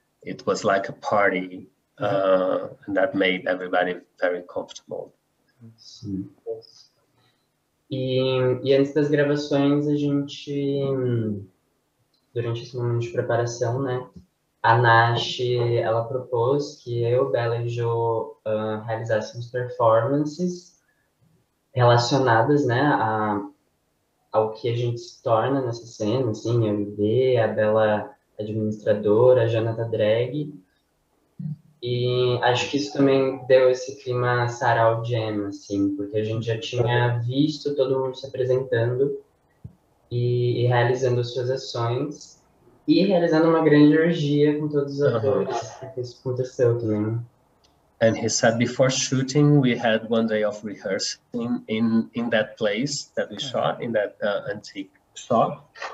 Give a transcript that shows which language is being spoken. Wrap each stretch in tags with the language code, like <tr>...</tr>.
<en>It was like a party and that made everybody very comfortable.</en> <pt>Sim. E antes das gravações, a gente, durante esse momento de preparação, né, a Nash, ela propôs que eu, Bella e Jo realizássemos performances relacionadas, né, ao que a gente se torna nessa cena, assim, a MD, a Bella administradora, a Jonathan Drag. E acho que isso também deu esse clima sarau jam, assim, porque a gente já tinha visto todo mundo se apresentando e realizando suas ações e realizando uma grande orgia com todos os atores. Uh-huh. Isso aconteceu também.</pt> <en>And he said before shooting, we had one day of rehearsing in that place that we shot, in that antique shop.</en>